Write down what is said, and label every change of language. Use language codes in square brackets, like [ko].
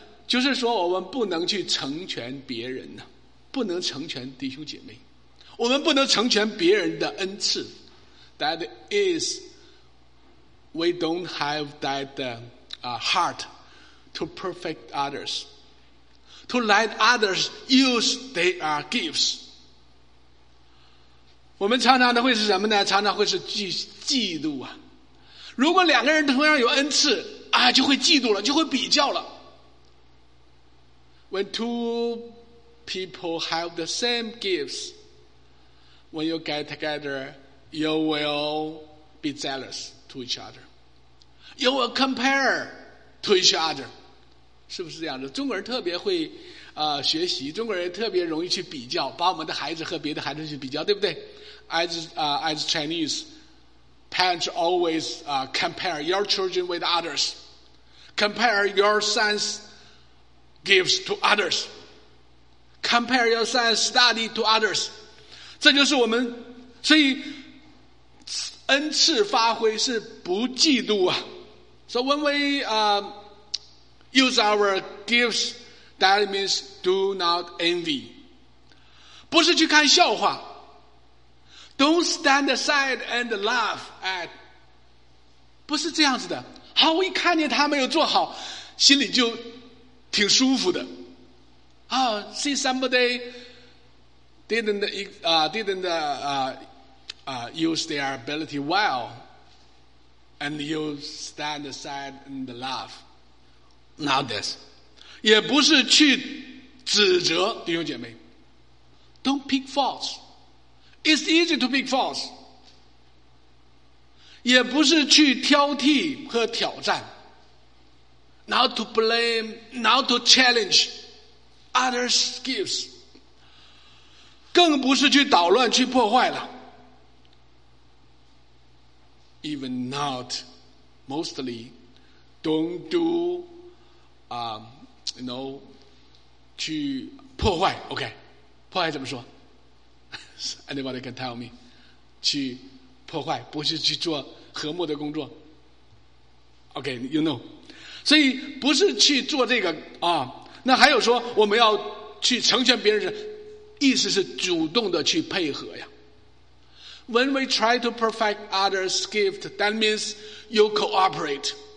[zh] 就是说我们不能去成全别人，不能成全弟兄姐妹，我们不能成全别人的恩赐。 [en] That is, we don't have that heart to perfect others, to let others use their gifts. [zh] 我们常常的会是什么呢？常常会是嫉妒啊。如果两个人同样有恩赐啊，就会嫉妒了，就会比较了。 [en] When two people have the same gifts, when you get together, you will be jealous to each other, you will compare to each other. [zh] 是不是这样的？中国人特别会学习，中国人特别容易去比较，把我们的孩子和别的孩子去比较，对不对？ [en] As Chinese, parents always compare your children with others. Compare your son's gifts to others. Compare your son's study to others. [zh] 这就是我们，所以恩赐发挥是不嫉妒啊。 [en] So when we use our gifts, that means do not envy. [zh] 不是去看笑话。 [en] Don't stand aside and laugh at. [zh] 不是这样子的。好，我一看见他没有做好，心里就挺舒服的。 [en] Oh, see somebody didn't use their ability well, and you stand aside and laugh. Not this. [zh] 也不是去指责弟兄姐妹。 [en] Don't pick faults. It's easy to pick faults. [zh] 也不是去挑剔和挑战。 [en] Not to blame, not to challenge others' gifts. [zh] 更不是去捣乱去破坏了。 [en] Even not, mostly, don't do, you know, [zh] 去破坏。 OK, 破坏怎么说？ [en] Anybody can tell me, [zh] 去破坏，不是去做和睦的工作。 [en] OK, you know. [zh] 所以不是去做这个啊。那还有说我们要去成全别人，意思是主动的去配合呀。 [en] When we try to perfect others' gift, that means you cooperate.